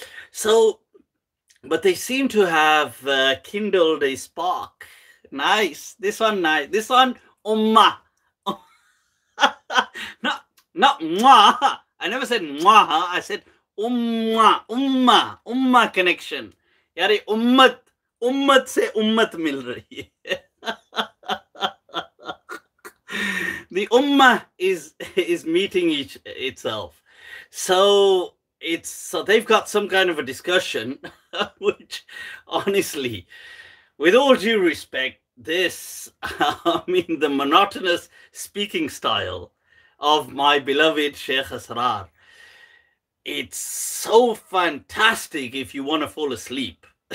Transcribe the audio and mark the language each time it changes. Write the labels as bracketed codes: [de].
[en] So, but they seem to have kindled a spark. Nice. This one, nice. This one, ummah. not mwah. I never said mwah. I said ummah connection. [ur] یاری امت۔ امت سے امت مل رہی۔ [en] The ummah is meeting itself. So they've got some kind of a discussion, which honestly, with all due respect, this, I mean, the monotonous speaking style of my beloved Sheikh Asrar, it's so fantastic if you want to fall asleep.